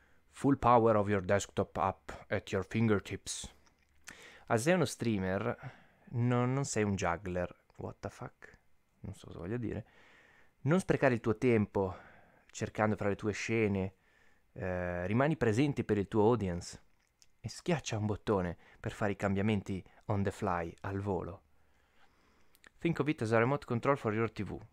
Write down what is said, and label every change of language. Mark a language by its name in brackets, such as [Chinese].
[English] Full power of your desktop app at your fingertips. [Italian] As uno streamer, non sei un juggler. [English] What the fuck? [Italian] Non so cosa voglia dire. Non sprecare il tuo tempo cercando fra le tue scene. Rimani presente per il tuo audience e schiaccia un bottone per fare i cambiamenti [English] on the fly, [Italian] al volo. [English] Think of it as a remote control for your TV.